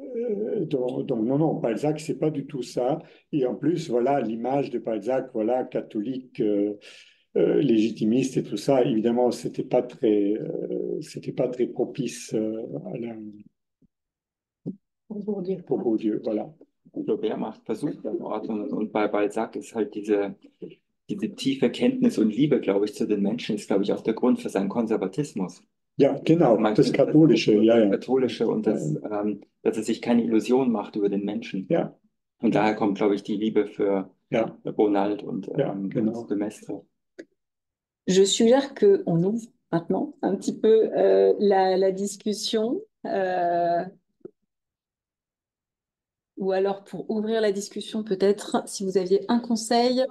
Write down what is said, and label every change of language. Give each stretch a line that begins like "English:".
French: Donc, non, non, Balzac, c'est pas du tout ça. Et en plus, voilà, l'image de Balzac, voilà, catholique, légitimiste et tout ça, évidemment, c'était pas très propice Pour dire pour bon Dieu, voilà.
German: Flaubert macht Versuch, und bei Balzac ist halt diese tiefe Kenntnis und Liebe, glaube ich, zu den Menschen, ist, glaube ich, auch der Grund für seinen Konservatismus. ja, genau, Man das kennt das Katholische, Katholische und dass er sich keine Illusion macht über den Menschen. ja. Und daher kommt, glaube ich, die Liebe für Ja. Ronald und Ja, das genau. Demestre.
French: Je suggère que on ouvre maintenant un petit peu la discussion. Ou alors pour ouvrir la discussion, peut-être si vous aviez un conseil.